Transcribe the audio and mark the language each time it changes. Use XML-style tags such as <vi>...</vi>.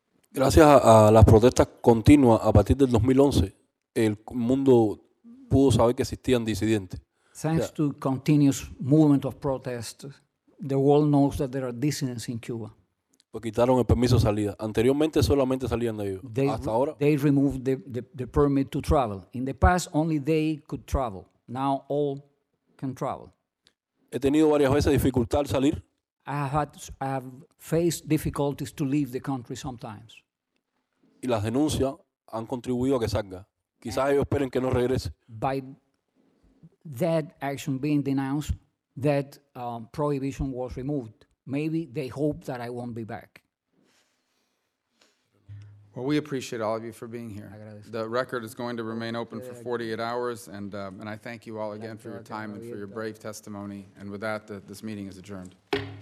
<es>Gracias a las protestas continuas a partir del 2011, el mundo pudo saber que existían disidentes.</es> <en>Thanks to continuous movement of protest, the world knows that there are dissidents in Cuba.</en> <es>Pues quitaron el permiso de salida. Anteriormente solamente salían de ellos. Hasta ahora.</es> <en>They removed the permit to travel. In the past, only they could travel. Now all can travel.</en> <es>He tenido varias veces dificultad al salir.</es> <en>I have faced difficulties to leave the country sometimes.</en> <es>Y las denuncias han contribuido a que salga. Quizás and ellos esperen que no regrese.</es> <en>By that action being denounced, that prohibition was removed. Maybe they hope that I won't be back. Well, we appreciate all of you for being here. The record is going to remain open for 48 hours, and I thank you all again for your time and for your brave testimony. And with that, this meeting is adjourned.</en>